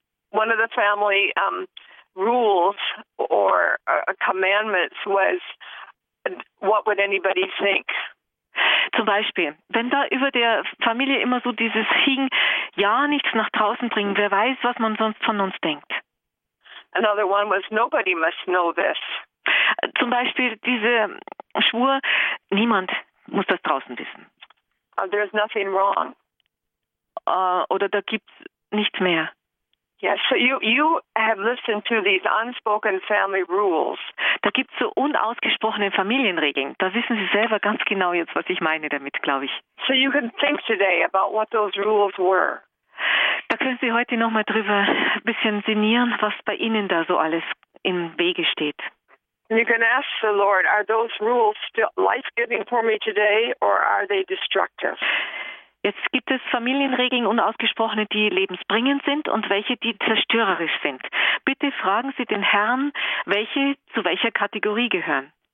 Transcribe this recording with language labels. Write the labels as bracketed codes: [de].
[en] One of the family rules or commandments was, what would anybody think? [de] Zum Beispiel, wenn da über der Familie immer so dieses hing, ja, nichts nach draußen bringen, wer weiß, was man sonst von uns denkt. [en] Another one was, nobody must know this. [de] Zum Beispiel diese Schwur, niemand muss das draußen wissen. [en] There's nothing wrong. [de] Oder da gibt's nichts mehr. [en] Yes, so you have listened to these unspoken family rules. [de] Da gibt's so unausgesprochene Familienregeln. Da wissen Sie selber ganz genau jetzt, was ich meine damit, glaube ich. [en] So you can think today about what those rules were. [de] Da können Sie heute nochmal drüber ein bisschen sinnieren, was bei Ihnen da so alles im Wege steht. [en] And you can ask the Lord, are those rules still life-giving for me today or are they destructive? [de] Jetzt gibt es Familienregeln, unausgesprochene, die lebensbringend sind und welche, die zerstörerisch sind. Bitte fragen Sie den Herrn, welche zu welcher Kategorie gehören.